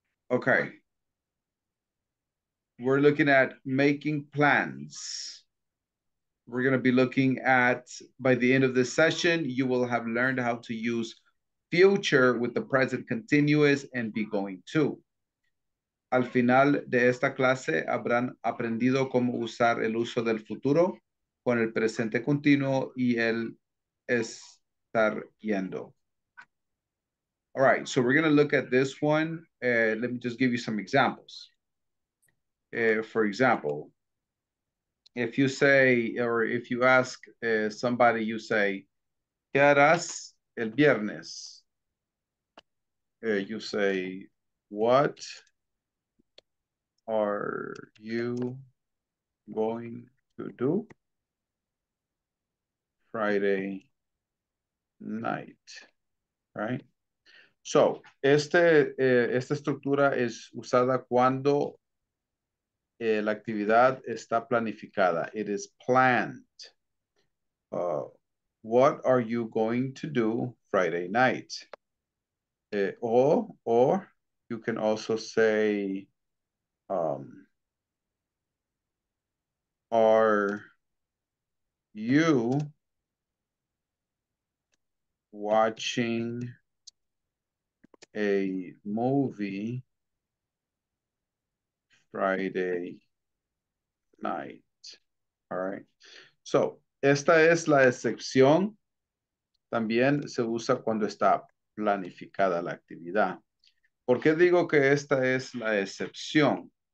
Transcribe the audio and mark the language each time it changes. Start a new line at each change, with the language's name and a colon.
English: Okay. We're looking at making plans. We're going to be looking at, by the end of this session, you will have learned how to use future with the present continuous and be going to.
Spanish: Al final de esta clase, habrán aprendido cómo usar el uso del futuro con el presente continuo y el estar yendo.
English: All right, so we're going to look at this one. Let me just give you some examples. For example, if you say, or if you ask somebody, you say,
Spanish: ¿qué harás el viernes?
English: You say, what are you going to do Friday night, right?
Spanish: So, esta estructura es usada cuando la actividad está planificada.
English: It is planned. What are you going to do Friday night? Or you can also say, are you watching a movie Friday night? All right.
Spanish: So, esta es la excepción. También se usa cuando está planificada la actividad. ¿Por qué digo que esta es la excepción?